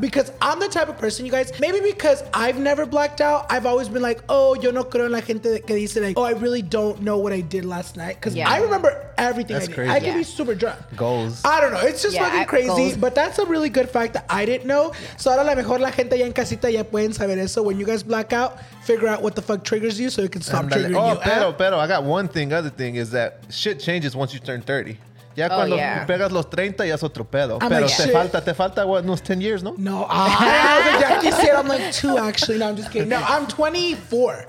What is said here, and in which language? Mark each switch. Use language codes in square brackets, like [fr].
[en] Because I'm the type of person, you guys, maybe because I've never blacked out, I've always been like, oh, yo no creo en la gente que dice, like, oh, I really don't know what I did last night. Because I remember everything. That's I did. Crazy. I can be super drunk. Goals. I don't know. It's just fucking crazy. Goals. But that's a really good fact that I didn't know. [es] So ahora la mejor la gente ya en casita ya pueden saber eso. [en] When you guys black out, figure out what the fuck triggers you so it can stop triggering you. Pero, I got one other thing is that shit changes once you turn 30. [es] Ya cuando pegas los 30, ya es otro pedo. [en] I'm [es] pero [en] like, [es] te falta what, unos 10 years, no? No. [en] I'm like 2, actually. No, I'm just kidding. No, I'm 24.